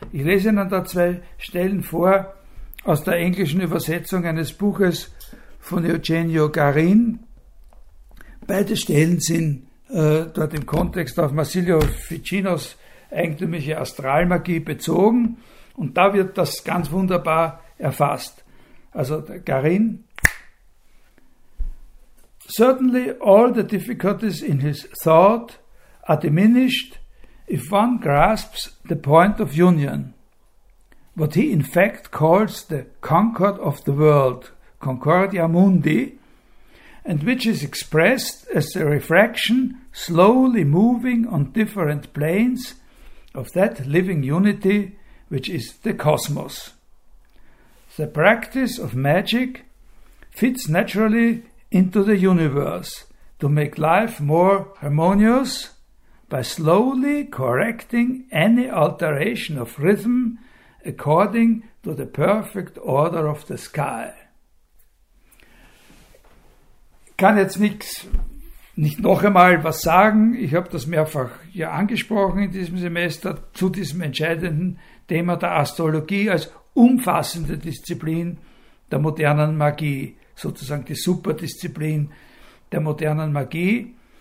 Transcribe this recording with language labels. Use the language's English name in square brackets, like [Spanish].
[German] Ich lese Ihnen da zwei Stellen vor aus der englischen Übersetzung eines Buches von Eugenio Garin. Beide Stellen sind dort im Kontext auf Marsilio Ficinos eigentümliche Astralmagie bezogen und da wird das ganz wunderbar erfasst. [English] Also Garin: "Certainly all the difficulties in his thought are diminished if one grasps the point of union, what he in fact calls the concord of the world, concordia mundi, and which is expressed as the refraction slowly moving on different planes of that living unity which is the cosmos. The practice of magic fits naturally into the universe to make life more harmonious by slowly correcting any alteration of rhythm according to the perfect order of the sky." [German] Ich kann jetzt nicht noch einmal was sagen. Ich habe das mehrfach ja angesprochen in diesem Semester zu diesem entscheidenden Thema der Astrologie als umfassende Disziplin der modernen Magie, sozusagen die Superdisziplin der modernen Magie.